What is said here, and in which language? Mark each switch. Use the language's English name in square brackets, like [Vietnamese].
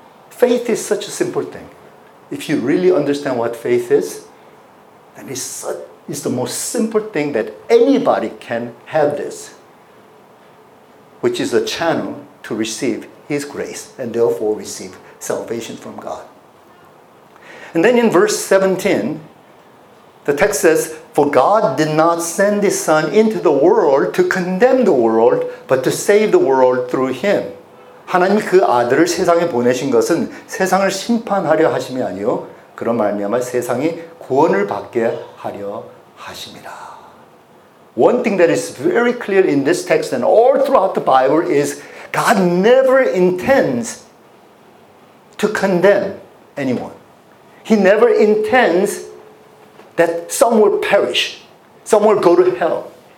[English] Faith is such a simple thing. If you really understand what faith is, then it's the most simple thing that anybody can have this, which is a channel to receive his grace and therefore receive salvation from God. And then in verse 17, the text says, for God did not send his son into the world to condemn the world, but to save the world through him. [Korean] 하나님이 그 아들을 세상에 보내신 것은 세상을 심판하려 하심이 아니요 그런 말미암아 세상이 구원을 받게 하려 하심이라. [English] One thing that is very clear in this text and all throughout the Bible is God never intends to condemn anyone. He never intends that some will perish, some will go to hell.